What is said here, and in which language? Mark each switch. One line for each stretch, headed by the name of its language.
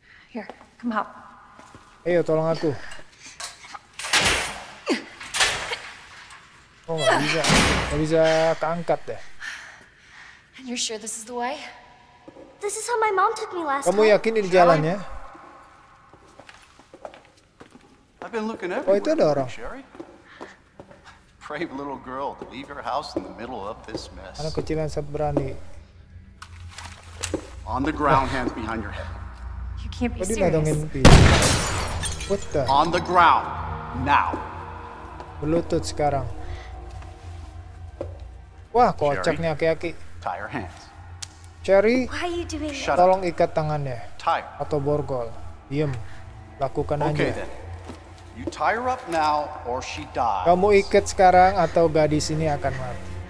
English: Here, come help.
Indonesian: Ayo, tolong aku. Oh, nggak bisa keangkat deh.
English: And you're sure this is the way? This is how my mom took me last.
Indonesian: Kamu yakin ini jalannya?
English: I've been looking everywhere.
Indonesian: Oh, itu ada orang.
English: Brave little girl to leave your house in the middle of this mess.
Indonesian: Anak kecil yang berani.
English: On the ground, hands behind your head. You can't be serious.
Indonesian: Dong ngintip.
English: What the? On the ground now.
Indonesian: Berlutut sekarang. Wah, kocak nih aki-aki. Cherry, tolong ikat tangannya. Atau borgol. Diem. Lakukan aja.
English: You tie her up now or she dies.
Indonesian: Kamu ikat sekarang atau gadis ini akan mati.